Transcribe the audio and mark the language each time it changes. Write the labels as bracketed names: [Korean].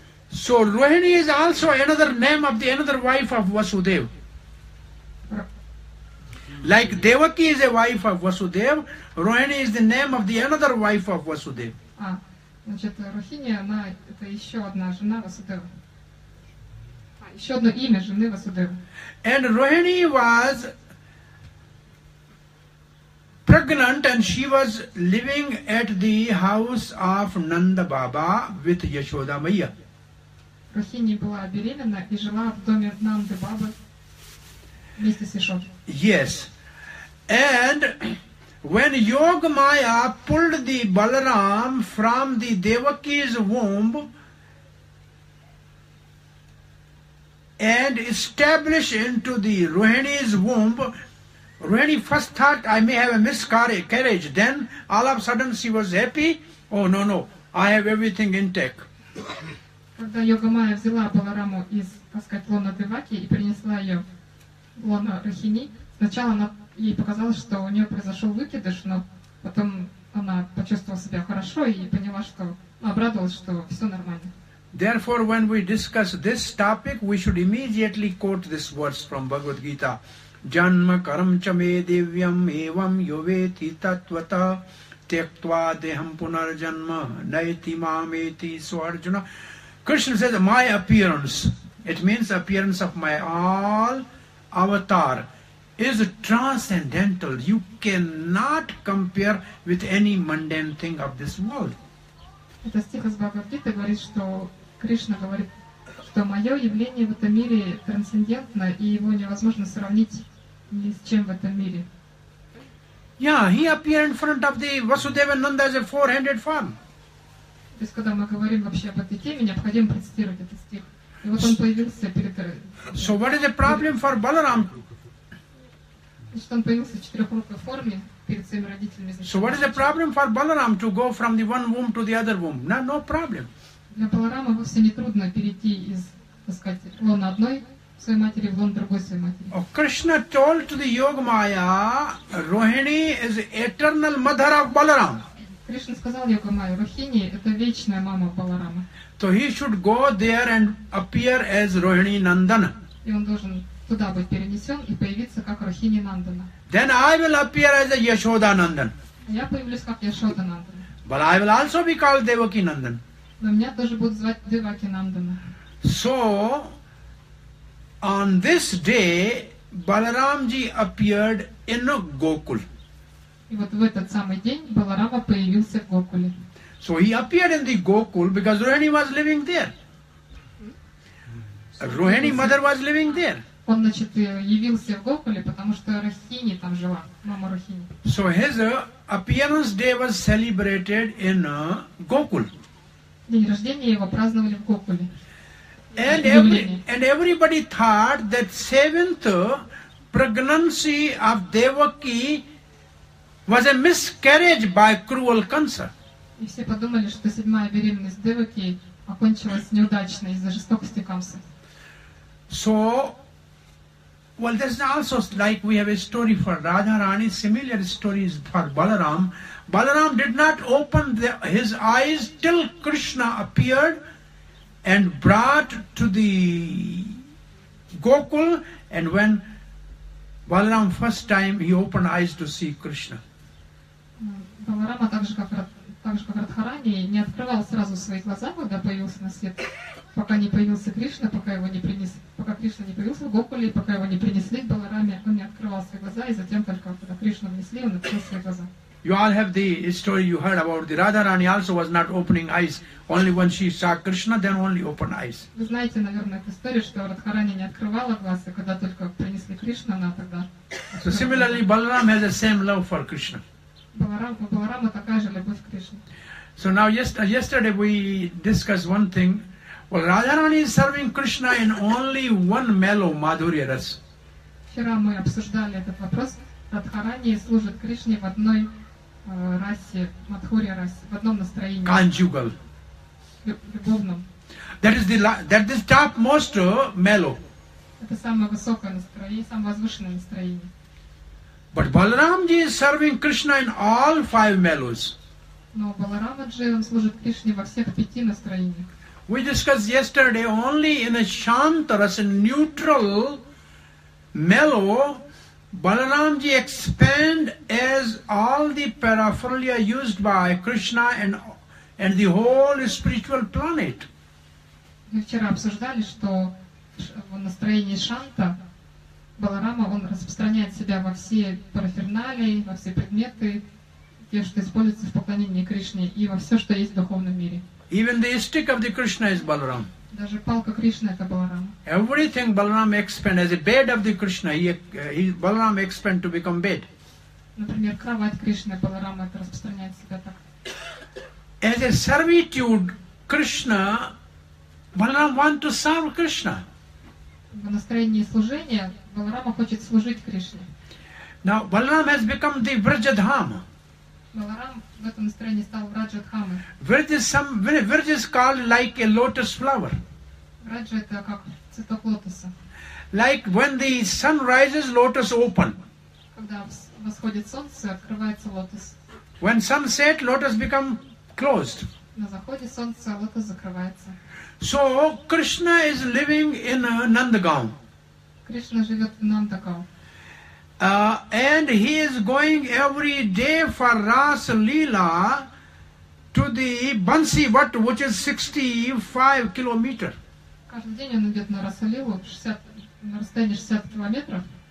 [English] So Rohini is also another name of the another wife of Vasudev. Like Devaki is a wife of Vasudev, Rohini is the name of the another wife of Vasudev. [Russian] Значит, Рохини, она это еще одна жена Васудева. Еще одно имя жены Васудева. [English] And Rohini was pregnant and she was living at the house of Nanda Baba with Yashoda Maya. [Russian] Рохини была беременна и жила в доме Нанды Бабы вместе с Яшодой. [English] Yes. And when Yoga Maya pulled the Balaram from the Devaki's womb and established into the Rohini's womb, Rohini first thought, I may have a miscarriage. Then all of a sudden she was happy. Oh no, no, I have everything intact. [Russian] Когда Йога Майя взяла Балараму из, так сказать, лона Деваки и принесла ее в лона Рохини, сначала она ей показалось, что у нее произошел выкидыш, но потом она почувствовала себя хорошо и поняла, что обрадовалась, что все нормально. [English] Therefore, when we discuss this topic, we should immediately quote this verse from Bhagavad Gita. [Sanskrit] Janma karam cha me devyam evam yoveti tatvata tyaktva deham punar janma naiti mameti swarjuna. [English] Krishna says, my appearance, it means appearance of my all avatar, is transcendental. You cannot compare with any mundane thing of this world. [Russian] Это стих из Бхагавад-гиты говорит, что Кришна говорит, что мое явление в этом мире трансцендентно, и его невозможно сравнить ни с чем в этом мире. [English] Yeah, he appeared in front of the Vasudeva Nanda as a four-handed form. [Russian] То есть, когда мы говорим вообще об этой теме, необходимо процитировать этот стих. И вот он появился перед... [English] So what is the problem for Balaram? [Russian] Значит, он появился в четырехрукой форме перед своими родителями. Значит, [English] so what is the problem for Balaram to go from the one womb to the other womb? No, no problem. [Russian] Для Баларама вовсе не трудно перейти из, так сказать, лона одной своей матери в лон другой своей матери. [English] Oh, Krishna told to the Yoga Maya, Rohini is eternal mother of Balaram. [Russian] Кришна сказал Йога Майе, Рохини – это вечная мама Баларама. [English] So he should go there and appear as Rohini Nandana. [Russian] И он должен туда быть перенесен и появиться как Рахини Нандана. [English] Then I will appear as a Yashoda Nandan. [Russian] Я появлюсь как Яшода Нандан. [English] But I will also be called Devaki Nandan. [Russian] Но меня тоже будут звать Деваки Нандана. [English] So on this day Balaramji appeared in a Gokul. [Russian] И вот в этот самый день Баларама появился в Гокуле. [English] So he appeared in the Gokul because Rohini was living there. Rohini mother was living there. [Russian] Он, значит, явился в Гокуле, потому что Рахини там жила, мама Рахини. [English] So his appearance day was celebrated in Gokul. [Russian] День рождения его праздновали в Гокуле. [English] And everybody thought that seventh pregnancy of Devaki was a miscarriage by cruel Kansa. [Russian] И все подумали, что седьмая беременность Деваки окончилась неудачно из-за жестокости Камсы. [English] So, well, there's also like we have a story for Radharani, similar stories for Balaram. Balaram did not open his eyes till Krishna appeared and brought to the Gokul, and when Balaram first time he opened eyes to see Krishna. [Russian] Баларама также как Радхарани не открывал сразу свои глаза, когда появился на свет, пока не появился Кришна, пока Кришна не появился в Гокуле, пока его не принесли к Балараме, он не открывал свои глаза, и затем только когда Кришну внесли, он открыл свои глаза. [English] You all have the story you heard about the Radharani also was not opening eyes. Only when she saw Krishna, then only opened eyes. [Russian] Вы знаете, наверное, эту историю, что Радхарани не открывала глаз, и когда только принесли Кришну, она тогда... [English] So similarly, Balaram has the same love for Krishna. [Russian] Баларама такая же любовь к Кришне. [English] So now, yesterday we discussed one thing. Well, Radharani is serving Krishna in only one mellow Madhurya Ras. [Russian] Вчера мы обсуждали этот вопрос. Радхарани служит Кришне в одной расе, Мадхурья расе, в одном настроении. [English] Conjugal. [Russian] Любовном. [English] That is topmost mellow. [Russian] Это самое высокое настроение, самое возвышенное настроение. [English] But Balaramji is serving Krishna in all five mellows. [Russian] Но Баларамаджи, он служит Кришне во всех пяти настроениях. [English] We discussed yesterday only in a shantaras, a neutral mellow, Balaramji expand as all the paraphernalia used by Krishna and the whole spiritual planet. [Russian] Мы вчера обсуждали, что в настроении Шанта Баларама, он распространяет себя во все параферналии, во все предметы, те, что используются в поклонении Кришне, и во все, что есть в духовном мире. [English] Even the stick of the Krishna is Balaram. [Russian] Даже палка Кришны — это Баларам. [English] Everything Balaram expand as a bed of the Krishna, he Balaram expand to become bed. [Russian] Например, кровать Кришны Баларама это распространяет себя так. [English] As a servitude Krishna, Balaram want to serve Krishna. [Russian] В настроении служения Баларама хочет служить Кришне. [English] Now Balaram has become the Vrajadhama. [Russian] Баларам в этом настроении стал Враджа-дхамой. [English] Врадж is called like a lotus flower. [Russian] Враджа — это как цветок лотоса. [English] Like when the sun rises, lotus open. [Russian] Когда восходит солнце, открывается лотос. [English] When sun set, lotus become closed. [Russian] На заходе солнца лотос закрывается. [English] So Krishna is living in Nandagaon. [Russian] Кришна живет в Нандагаон. [English] And he is going every day for Ras Leela to the Bansi Vat, which is 65 kilometer. [Russian] Каждый день он идет на Рас Лилу, на расстоянии 65 километров.